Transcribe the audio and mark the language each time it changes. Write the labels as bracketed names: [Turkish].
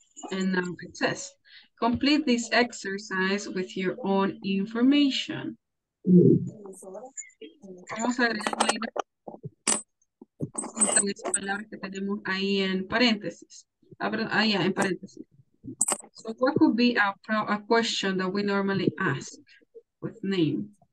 [English] And now it says, complete this exercise with your own information. [Spanish] Vamos a agregar las palabras que tenemos ahí en paréntesis. En paréntesis. [English] So what could be a question that we normally ask with name?